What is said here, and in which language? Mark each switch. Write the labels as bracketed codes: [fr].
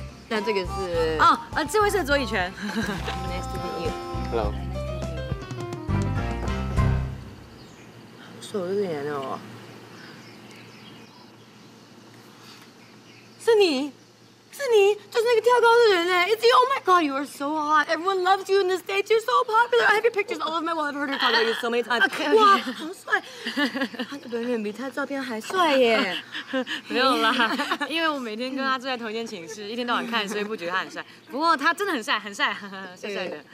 [zh] 那这个是。这位是左以泉。 [en] Nice to meet you. Hello. [zh] 是我这个年龄哦。是你，是你，就是那个跳高的人哎。 [en] It's you. Oh my God, you are so hot. Everyone loves you in the States. You're so popular. I have your pictures all over my wall. I've heard her talk about you so many times. Okay, okay. [zh] 哇，好帅。远远比他照片还帅耶！没有啦，因为我每天跟他住在同一间寝室，一天到晚看，所以不觉得他很帅。不过他真的很帅，很帅，帅帅的。